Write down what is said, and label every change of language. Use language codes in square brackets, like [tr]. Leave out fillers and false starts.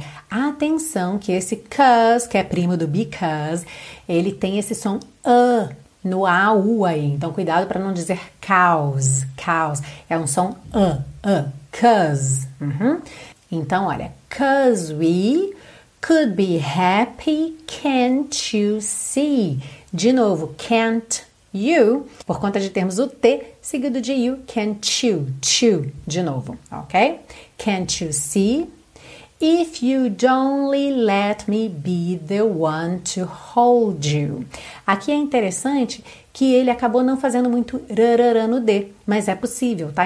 [pt] Atenção que esse cause, que é primo do because, ele tem esse som a. No AU aí, então cuidado para não dizer cause, cause, é um som cause. Então, olha, [en] cause we could be happy, can't you see? [pt] De novo, [en] can't you, [pt] por conta de termos o T seguido de you, can't you, de novo, ok? [en] Can't you see? If you'd only let me be the one to hold you. [pt] Aqui é interessante que ele acabou não fazendo muito rarara no D, mas é possível, tá?